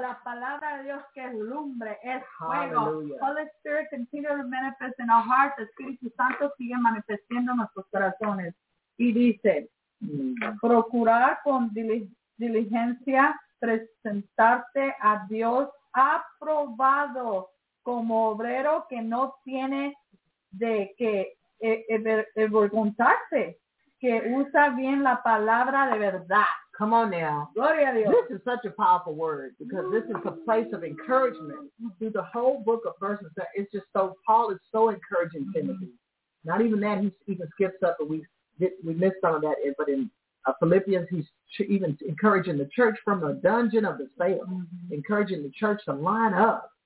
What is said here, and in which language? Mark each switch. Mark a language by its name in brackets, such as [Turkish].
[Spanish] La palabra de Dios que es lumbre, es fuego. [English] Hallelujah. Holy Spirit continue to manifest in our hearts. [Spanish] Espíritu Santo sigue manifestando nuestros corazones. Y dice, procurar con diligencia presentarte a Dios aprobado como obrero que no tiene de que avergonzarse, que usa bien la palabra de verdad. [English] Come on now. [Spanish] Gloria a Dios. [English] This is such a powerful word because this is a place of encouragement. Through the whole book of verses, it's just so, Paul is so encouraging Timothy. Not even that, he even skips up, but we missed some of that. But in Philippians, he's even encouraging the church from the dungeon of the cell, encouraging the church to line up.